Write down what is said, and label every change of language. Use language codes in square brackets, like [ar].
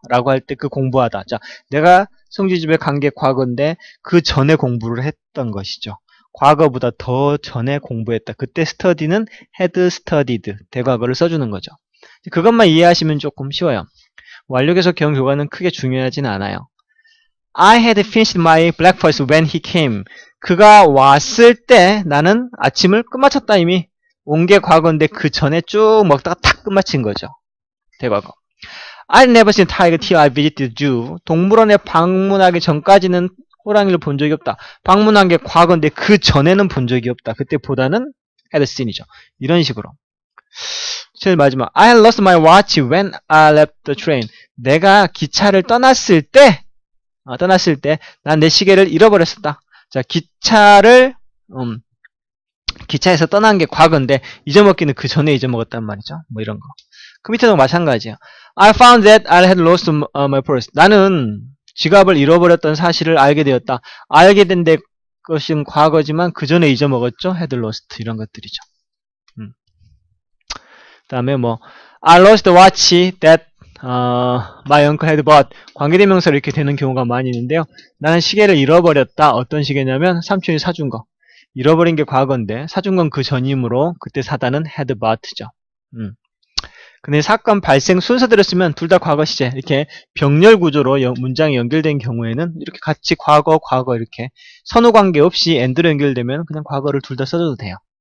[ko] 라고 할때그 공부하다. 자, 내가 성준이 집에 간게 과거인데, 그 전에 공부를 했던 것이죠. 과거보다 더 전에 공부했다. 그때 스터디는 had studied. 대과거를 써주는 거죠. 그것만 이해하시면 조금 쉬워요. 완료계속 경 교과는 크게 중요하진 않아요. [en] I had finished my breakfast when he came. [ko] 그가 왔을 때 나는 아침을 끝마쳤다, 이미. 온게 과거인데 그 전에 쭉 먹다가 탁 끝마친 거죠. 대과거. [en] I never seen tiger till I visited zoo. [ko] 동물원에 방문하기 전까지는 호랑이를 본 적이 없다. 방문한 게 과거인데 그 전에는 본 적이 없다. 그때보다는 had seen이죠. 이런 식으로. 제일 마지막. [en] I lost my watch when I left the train. [ko] 내가 기차를 떠났을 때난내 시계를 잃어버렸었다. 자, 기차에서 떠난 게 과거인데 잊어먹기는 그 전에 잊어먹었단 말이죠. 뭐 이런 거. 그 밑에도 마찬가지예요. [en] I found that I had lost my purse. [ko] 나는 지갑을 잃어버렸던 사실을 알게 되었다. 알게 된데 것은 과거지만 그 전에 잊어먹었죠. had lost 이런 것들이죠. 그다음에 뭐 [en] I lost the watch that my uncle had bought. [ko] 관계대명사로 이렇게 되는 경우가 많이 있는데요. 나는 시계를 잃어버렸다. 어떤 시계냐면 삼촌이 사준 거. 잃어버린 게 과거인데 사준 건그 전이므로 그때 사다는 had bought죠. 근데 사건 발생 순서대로 쓰면 둘다 과거 시제. 이렇게 병렬 구조로 문장이 연결된 경우에는 이렇게 같이 과거 이렇게 선후 관계 없이 and로 연결되면 그냥 과거를 둘다 써줘도 돼요.